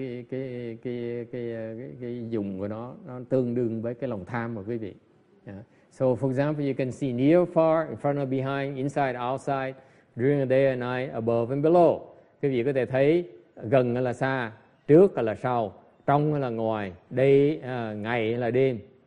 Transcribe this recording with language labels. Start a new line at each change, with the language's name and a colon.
Vietnamese: Cái dùng của nó tương đương với cái lòng tham của quý vị.
English: So for example, you can see near, far, in front or behind, inside, outside, during the day and night, above and below.
Vietnamese: Quý vị có thể thấy gần là xa, trước là sau, trong là ngoài, đây ngày là đêm.